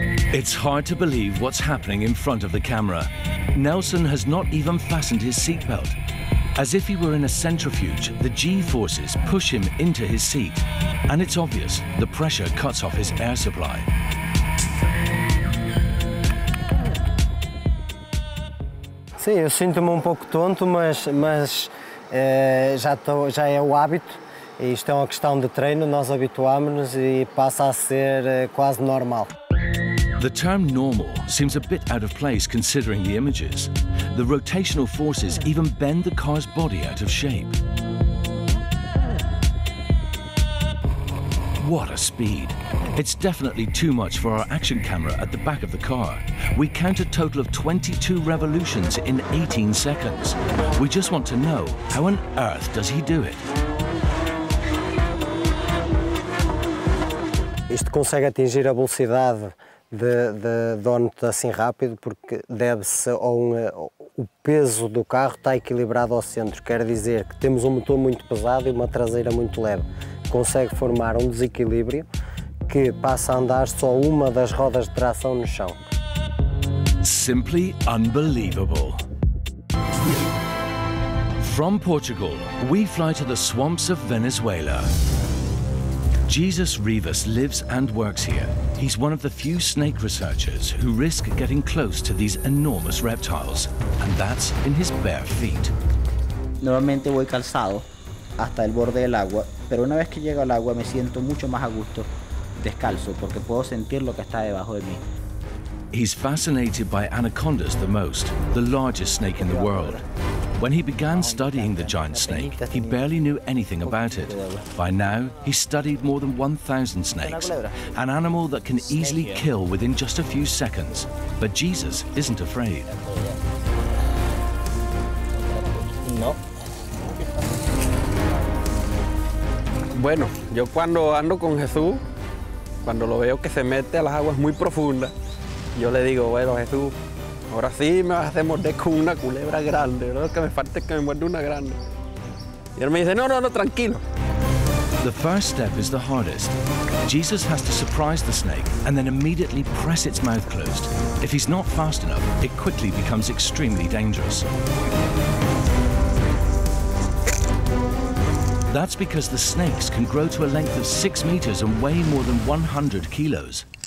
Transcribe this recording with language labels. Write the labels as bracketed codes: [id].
[en] It's hard to believe what's happening in front of the camera. Nelson has not even fastened his seatbelt. As if he were in a centrifuge, the G-forces push him into his seat. And it's obvious the pressure cuts off his air supply. [pt] Sim, eu sinto-me pouco tonto, mas já é o hábito. Isto é uma questão de treino, nós habituámo-nos e passa a ser quase normal. [en] The term normal seems a bit out of place considering the images. The rotational forces even bend the car's body out of shape. What a speed. It's definitely too much for our action camera at the back of the car. We count a total of 22 revolutions in 18 seconds. We just want to know, how on earth does he do it? [pt] isto consegue atingir a velocidade de doughnut assim rápido, porque deve-se a o peso do carro está equilibrado ao centro, quer dizer que temos um motor muito pesado e uma traseira muito leve, consegue formar um desequilíbrio que passa a andar só uma das rodas de tração no chão. [en] Simply unbelievable. From Portugal, we fly to the swamps of Venezuela. Jesus Rivas lives and works here. He's one of the few snake researchers who risk getting close to these enormous reptiles, and that's in his bare feet. [es] Normalmente voy calzado hasta el borde del agua, pero una vez que llego al agua me siento mucho más a gusto descalzo porque puedo sentir lo que está debajo de mí. [en] He's fascinated by anacondas the most, the largest snake in the world. When he began studying the giant snake, he barely knew anything about it. By now, he's studied more than 1,000 snakes, an animal that can easily kill within just a few seconds. But Jesus isn't afraid. No. [es] Bueno, yo cuando ando con Jesús, cuando lo veo que se mete a las aguas muy profundas, yo le digo, bueno, Jesús, ahora sí me vas a hacer morder con una culebra grande, ¿no? Lo que me falta es que me muerde una grande. Y él me dice, no, tranquilo. [en] The first step is the hardest. Jesus has to surprise the snake and then immediately press its mouth closed. If he's not fast enough, it quickly becomes extremely dangerous. That's because the snakes can grow to a length of 6 meters and weigh more than 100 kilos.